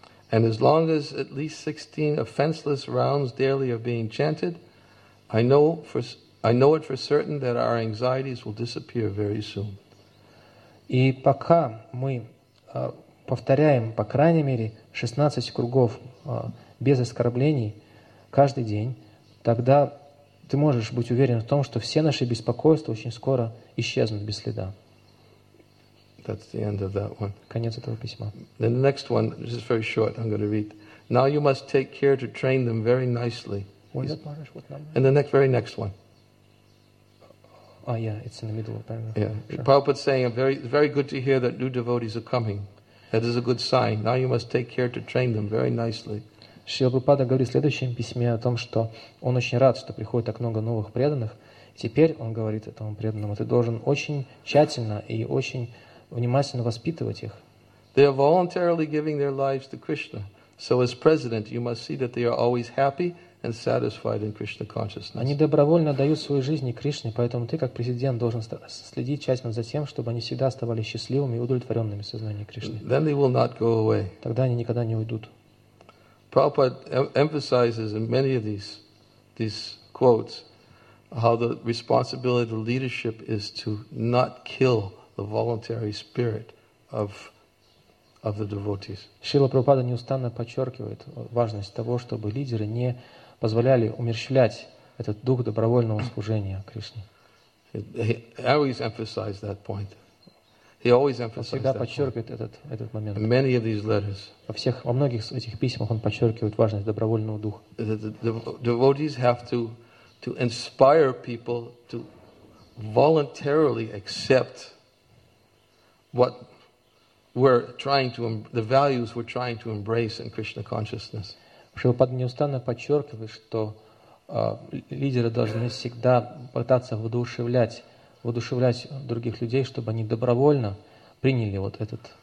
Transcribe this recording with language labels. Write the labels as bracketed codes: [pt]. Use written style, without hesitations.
[en] And as long as at least 16 offenseless rounds daily are being chanted, I know it for certain that our anxieties will disappear very soon. [ru] И пока мы повторяем по крайней мере 16 кругов без оскорблений каждый день, тогда ты можешь быть уверен в том, что все наши беспокойства очень скоро исчезнут без следа. [en] That's the end of that one. [ru] Конец этого письма. [en] Then the next one, this is very short, I'm going to read. Now you must take care to train them very nicely. And the next, very next one. Oh yeah, it's in the middle of the paragraph. Yeah. Sure. Prabhupada's saying, very good to hear that new devotees are coming. That is a good sign. Now you must take care to train them very nicely. [ru] Шрила Прабхупада говорит в следующем письме о том, что он очень рад, что приходит так много новых преданных. Теперь он говорит этому преданному, ты должен очень тщательно и очень внимательно воспитывать их. [en] They are voluntarily giving their lives to Krishna. So as president, you must see that they are always happy and satisfied in Krishna consciousness. [ru] Они добровольно дают свою жизнь Кришне, поэтому ты, как президент, должен следить тщательно за тем, чтобы они всегда оставались счастливыми и удовлетворенными в сознании Кришны. [en] Then they will not go away. [ru] Тогда они никогда не уйдут. [en] Prabhupada emphasizes in many of these quotes how the responsibility of leadership is to not kill the voluntary spirit of the devotees. [ru] Шрила Прабхупада неустанно подчеркивает важность того, чтобы лидеры не позволяли умерщвлять этот дух добровольного служения Кришне. [en] He always emphasized that point. He always emphasized [ru] всегда подчеркивает этот момент. [en] Many of these letters. [ru] Во многих этих письмах он подчеркивает важность добровольного духа. [en] Devotees have to inspire people to voluntarily accept what we're trying to the values we're trying to embrace in Krishna consciousness. [ru] Шрилапад неустанно подчеркивает, что лидеры должны всегда пытаться воодушевлять других людей, чтобы они добровольно приняли вот этот...